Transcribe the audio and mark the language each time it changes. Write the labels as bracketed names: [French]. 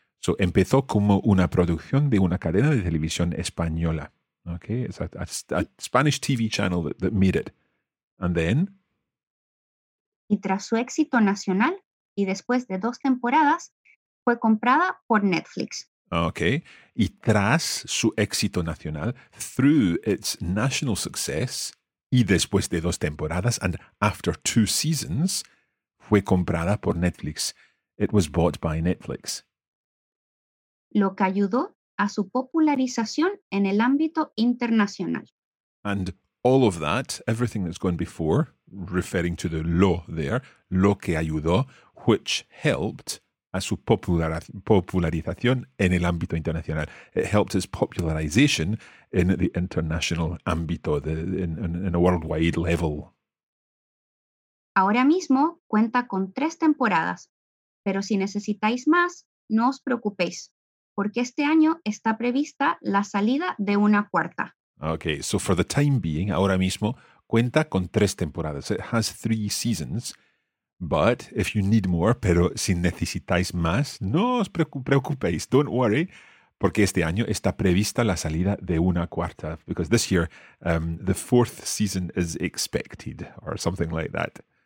[Spanish] So, empezó como una producción de una cadena de televisión española. [English] Okay, it's a Spanish TV channel that made it. And then? [Spanish] Y tras su éxito nacional, y después de dos temporadas, fue comprada por Netflix. Okay, y tras su éxito nacional, [English] through its national success, [Spanish] y después de dos temporadas, [English] and after two seasons, [Spanish] fue comprada por Netflix. [English] It was bought by Netflix. [Spanish] Lo que ayudó a su popularización en el ámbito internacional. [English] And all of that, everything that's gone before, referring to the lo there, [Spanish] lo que ayudó, [English] which helped [Spanish] a su popularización en el ámbito internacional. [English] It helped its popularization in the international ámbito, in a worldwide level. [Spanish] Ahora mismo cuenta con tres temporadas, pero si necesitáis más, no os preocupéis. Porque este año está prevista la salida de una cuarta. [English] Okay, so for the time being, [Spanish] ahora mismo, cuenta con tres temporadas. [English] It has three seasons, but if you need more, [Spanish] pero si necesitáis más, no os preocupéis, [English] don't worry, [Spanish] porque este año está prevista la salida de una cuarta. [English] Because this year, the fourth season is expected, or something like that.